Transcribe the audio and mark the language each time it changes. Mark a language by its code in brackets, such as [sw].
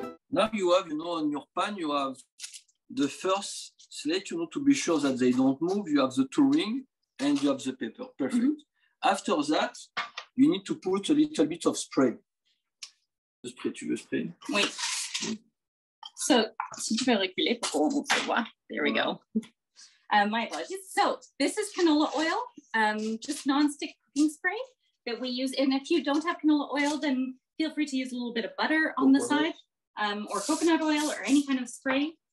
[en] Now you have, you know, on your pan, you have the first slate, you know, to be sure that they don't move. You have the 2 rings. And you have the paper, perfect. Mm-hmm. After that, you need to put a little bit of spray. The spray, [fr] tu veux spray? Oui. Mm. So, si tu peux reculer pour qu'on voit. [en] There we go. My apologies. So, this is canola oil, just non-stick cooking spray that we use. And if you don't have canola oil, then feel free to use a little bit of butter on the side, or coconut oil, or any kind of spray.